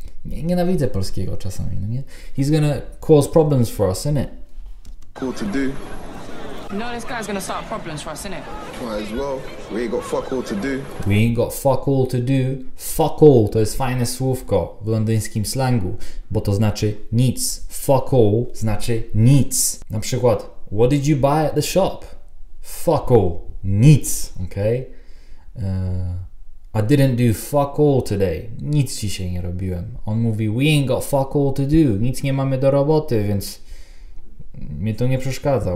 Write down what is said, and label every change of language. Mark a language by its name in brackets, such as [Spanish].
[Polish] Nienawidzę polskiego czasami, no nie? [English] He's gonna cause problems for us, innit? Cool to do. No, this guy's gonna start problems for us, innit? Might as well. We ain't got fuck all to do. We ain't got fuck all to do. [Polish] Fuck all to jest fajne słówko w londyńskim slangu, bo to znaczy nic. Fuck all znaczy nic. Na przykład, [English] what did you buy at the shop? Fuck all. Nic, okej? Okay? I didn't do fuck all today. [Polish] Nic dzisiaj nie robiłem. On mówi, [English] we ain't got fuck all to do. [Polish] Nic nie mamy do roboty, więc mnie to nie przeszkadza.